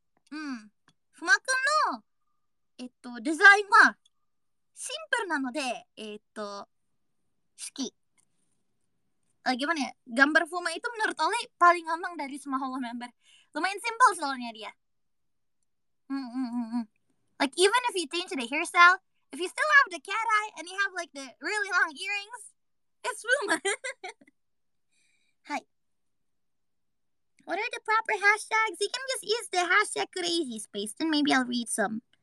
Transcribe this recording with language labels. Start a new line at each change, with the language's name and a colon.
Japanese: ふまくんのデザインはシンプルなので好き。
Indonesian: gimana ya? Gambar Fuma itu menurut Oli paling gampang dari semua Hollow member. Lumayan simpel soalnya dia.
English: Like even if you change the hairstyle, if you still have the cat eye and you have like the really long earrings, it's Fuma. Hi. What are the proper hashtags? You can just use the hashtag crazy space. Then maybe I'll read some.